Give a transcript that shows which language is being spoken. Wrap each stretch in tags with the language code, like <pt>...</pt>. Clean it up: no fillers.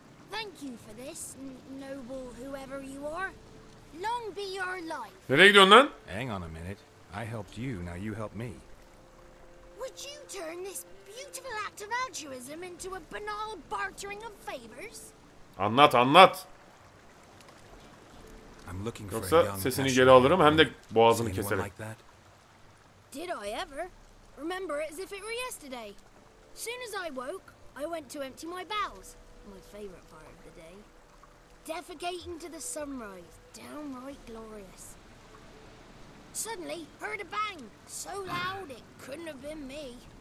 <en>Thank you for this, noble whoever you are. Long be your life.</en> <tr>Nereye gidiyorsun lan?</tr> <en>Hang on a minute. I helped you, now you help me. Would you turn this beautiful act of altruism into a banal bartering of favors?</en> <tr>Anlat, anlat.</tr> <en>I'm looking for a</en> <tr>sesini geri alırım hem de boğazını keserim.</tr> <en>Did I ever remember it as if it were yesterday? Soon as I woke, I went to empty my bowels, my favorite part of the day. Defecating to the sunrise, downright glorious. Suddenly, heard a bang, so loud it couldn't have been me.</en>